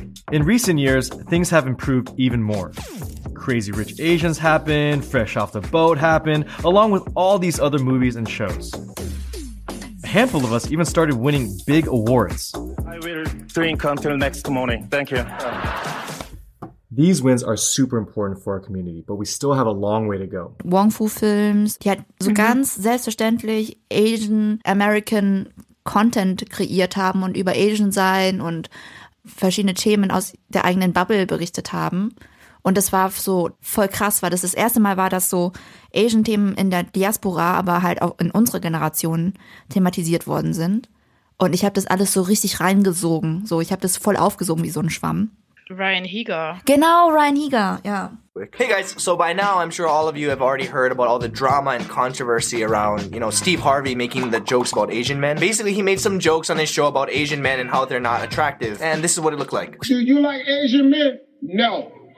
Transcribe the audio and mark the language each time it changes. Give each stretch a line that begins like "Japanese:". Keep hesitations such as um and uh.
English: In recent years, things have improved even more. Crazy Rich Asians happened, Fresh Off the Boat happened, along with all these other movies and shows. A handful of us even started winning big awards. I will drink until next morning. Thank you. These wins are super important for our community, but we still have a long way to go.
German: Wong Fu Films, die mm -hmm. so ganz selbstverständlich Asian American Content kreiert haben und über Asian sein und verschiedene Themen aus der eigenen Bubble berichtet haben. Und das war so voll krass, weil das das erste Mal war, dass so Asian-Themen in der Diaspora, aber halt auch in unserer Generation thematisiert worden sind. Und ich habe das alles so richtig reingesogen. So, ich habe das voll aufgesogen wie so ein Schwamm. Ryan Higa. Genau, Ryan Higa. ja.
English: Yeah. Hey guys, so by now I'm sure all of you have already heard about all the drama and controversy around, you know, Steve Harvey making the jokes about Asian men. Basically, he made some jokes on his show about Asian men and how they're not attractive. And this is what it looked like. Do you like Asian men? No.